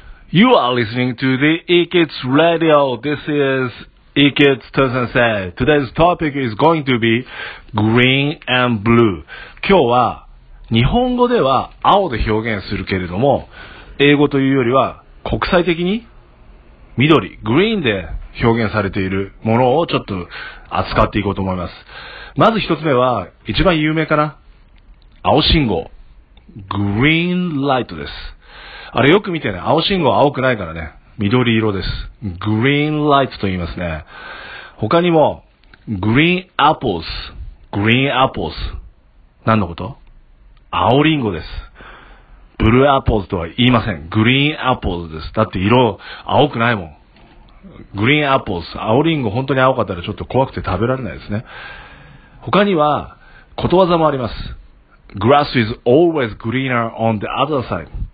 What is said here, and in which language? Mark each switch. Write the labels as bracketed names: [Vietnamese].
[English] You are listening to the E-Kids Radio. This is E-Kids 2007. Today's topic is going to be green and blue. [Japanese] 今日は日本語では青で表現するけれども、英語というよりは国際的に緑、green で表現されているものをちょっと扱っていこうと思います。まず一つ目は一番有名かな。青信号。green light です。あれよく見てね、青信号は青くないからね、緑色です。 green light と言いますね。他にも、 [English] green apples。green apples。 [Japanese] 何のこと？青リンゴです。ブルーアポーズとは言いません。グリーンアポーズです。だって色青くないもん。グリーンアポーズ。青リンゴ本当に青かったらちょっと怖くて食べられないですね。他にはことわざもあります。 [English] Grass is always greener on the other side.